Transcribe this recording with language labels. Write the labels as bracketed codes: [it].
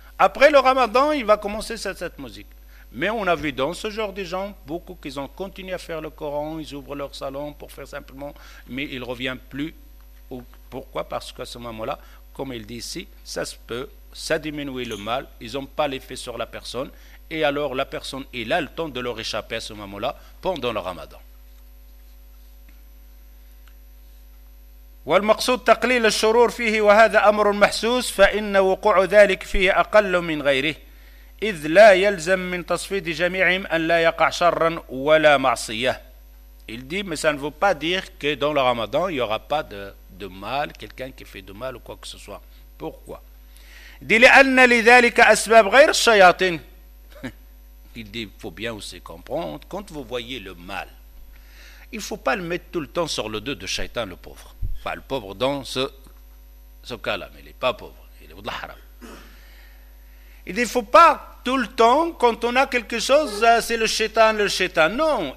[fr] Après le Ramadan, il va commencer cette musique. Mais on a vu dans ce genre de gens, beaucoup qui ont continué à faire le Coran, ils ouvrent leur salon pour faire simplement, mais ils ne reviennent plus. Pourquoi? Parce qu'à ce moment-là, comme il dit ici, ça se peut, ça diminue le mal, ils n'ont pas l'effet sur la personne, et alors la personne, il a le temps de leur échapper à ce moment-là, pendant le Ramadan. [ar] والمقصود تقليل الشرور فيه وهذا أمر محسوس فإن وقوع ذلك فيه أقل من غيره إذ لا يلزم من تصفيد جميعهم أن لا يقع شرا ولا معصية. [fr] Il dit, mais ça ne veut pas dire que dans le Ramadan il y aura pas de mal, quelqu'un qui fait du mal ou quoi que ce soit. Pourquoi? [ar] دل أن لذلك أسباب غير الشياطين. [fr] Il dit, faut bien aussi comprendre quand vous voyez le mal, il faut pas le mettre tout le temps sur le dos de Shaitan le pauvre. Enfin, le pauvre dans ce cas-là, mais il n'est pas pauvre, il est au haram. Il ne faut pas tout le temps, quand on a quelque chose, c'est le shaitan, non.